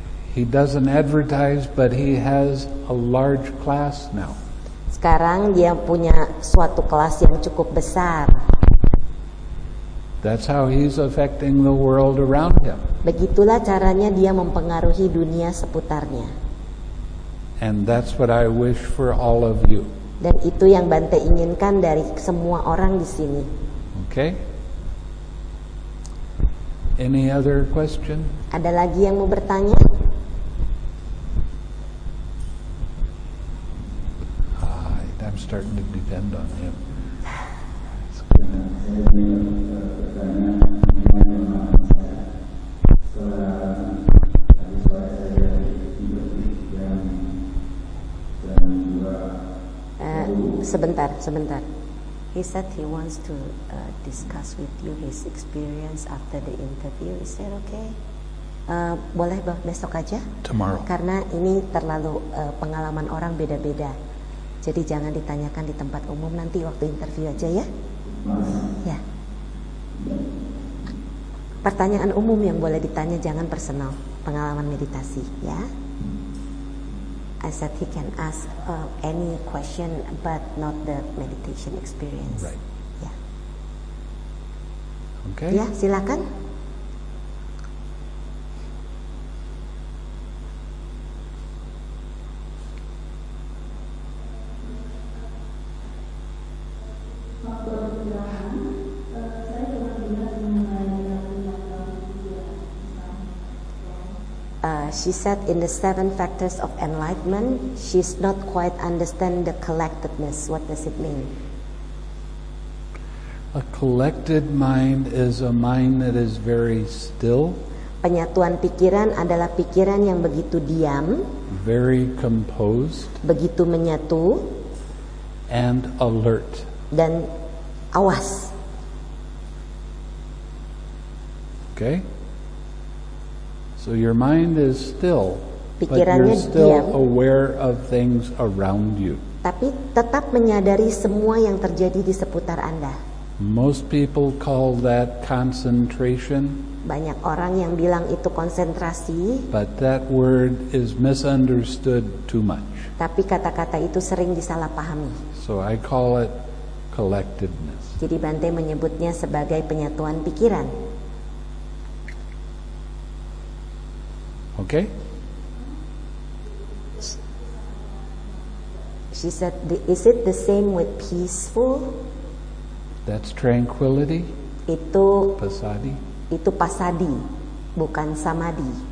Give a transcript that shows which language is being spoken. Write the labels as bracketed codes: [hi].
[en] He doesn't advertise, but he has a large class now. [id] Sekarang dia punya suatu kelas yang cukup besar. [en] That's how he's affecting the world around him. [id] Begitulah caranya dia mempengaruhi dunia seputarnya. [en] And that's what I wish for all of you. [id] Dan itu yang Bante inginkan dari semua orang di sini. [en] Okay. Any other question? [id] Ada lagi yang mau bertanya? [en] I'm starting to depend on him. [id] Sebentar. [en] He said he wants to discuss with you his experience after the interview. Is that okay? [id] Boleh besok aja? [en] Tomorrow. [id] Karena ini terlalu pengalaman orang beda-beda. Jadi jangan ditanyakan di tempat umum, nanti waktu interview aja ya. Ya. Pertanyaan umum yang boleh ditanya, jangan personal. Pengalaman meditasi, ya. [en] I said he can ask any question, but not the meditation experience. Right. Yeah. Okay. [id] Ya, silakan. [en] Thank you. She said in the seven factors of enlightenment, she's not quite understand the collectedness. What does it mean? A collected mind is a mind that is very still. [id] Penyatuan pikiran adalah pikiran yang begitu diam. [en] Very composed. [id] Begitu menyatu. [en] And alert. [id] Dan awas. [en] Okay. So your mind is still, [id] pikirannya [en] but you're still [id] diam, [en] aware of things around you. [id] Tapi tetap menyadari semua yang terjadi di seputar Anda. [en] Most people call that concentration. [id] Banyak orang yang bilang itu konsentrasi. [en] But that word is misunderstood too much. [id] Tapi kata-kata itu sering disalahpahami. [en] So I call it collectedness. [id] Jadi Bante menyebutnya sebagai penyatuan pikiran. [en] Okay. She said, "Is it the same with peaceful?" That's tranquility. [id] Itu pasadi. Itu pasadi, bukan samadhi.